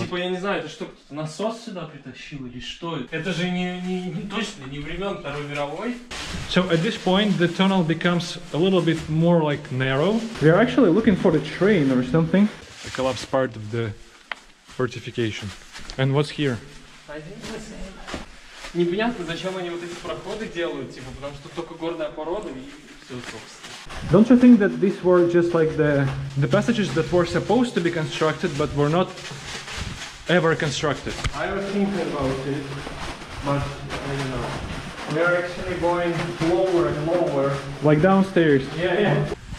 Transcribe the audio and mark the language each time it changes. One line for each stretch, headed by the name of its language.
Russian: Типа, я не знаю, это что, кто-то насос сюда притащил или что? Это же не точно, не времен Второй мировой.
English: So at this point the tunnel becomes a little bit more like narrow. We are actually looking for the train or something. The collapsed part of the fortification. And what's here? I think the same.
Russian: Непонятно, зачем они вот эти проходы делают, типа, потому что только горная порода и все, собственно.
English: Don't you think that these were just like the passages that were supposed to be constructed but were not ever constructed? I was thinking about it, but I don't know. We are actually going lower and lower. Like downstairs? Yeah, yeah.